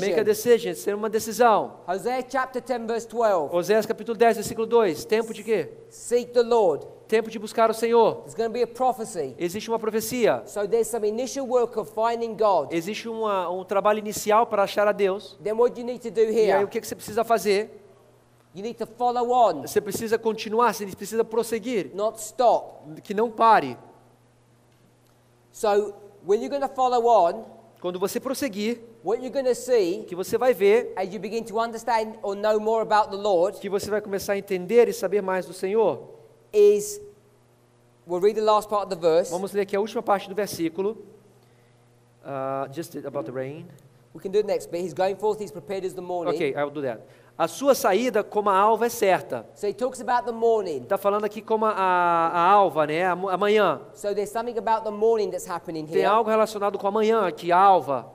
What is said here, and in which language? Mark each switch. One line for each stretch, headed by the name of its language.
English: Make a decision.
Portuguese: Ser uma decisão.
English: Hosea chapter 10 verse 12.
Portuguese: Oséias capítulo 10 versículo 2. Tempo de quê?
English: Seek the Lord.
Portuguese: Tempo de buscar o Senhor.
English: There's going to be a prophecy.
Portuguese: Existe uma profecia.
English: So there's some initial work of finding God.
Portuguese: Existe um trabalho inicial para achar a Deus.
English: Then what do you need to do here?
Portuguese: E aí, o que você precisa fazer?
English: You need to follow on.
Portuguese: Você precisa continuar, você precisa prosseguir.
English: Not stop.
Portuguese: Que não pare.
English: So when you're going to follow on,
Portuguese: quando você prosseguir,
English: what you're going to see,
Portuguese: que você vai ver,
English: as you begin to understand or know more about the Lord,
Portuguese: que você vai começar a entender e saber mais do Senhor,
English: is, we'll read the last part of the verse.
Portuguese: Vamos ler aqui a última parte do versículo.
English: Just about the rain. We can do the next bit. He's going forth. He's prepared as the morning. Okay, I'll do that.
Portuguese: A sua saída como a alva é certa.
English: So he talks about the morning.
Portuguese: Está falando aqui como a alva, né? A manhã.
English: So there's something about the morning that's happening here.
Portuguese: Tem algo relacionado com a manhã aqui, a alva.